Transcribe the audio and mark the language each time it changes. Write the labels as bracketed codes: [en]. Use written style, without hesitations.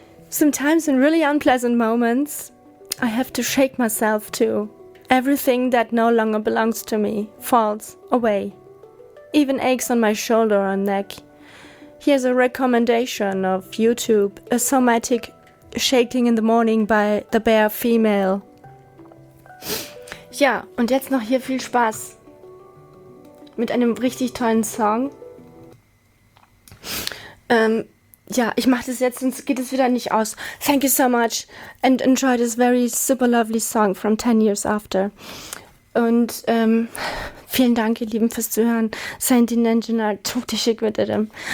[en] Sometimes in really unpleasant moments, I have to shake myself too. Everything that no longer belongs to me falls away. Even aches on my shoulder or neck. Here's a recommendation of YouTube, a somatic shaking in the morning by The Bear Female. [de] Ja, und jetzt noch hier viel Spaß mit einem richtig tollen Song. Ja, ich mach das jetzt, sonst geht es wieder nicht aus. [en] Thank you so much and enjoy this very super lovely song from 10 years after. [de] Und vielen Dank, ihr Lieben, fürs Zuhören. Send in Angela, tut die schick mit dem.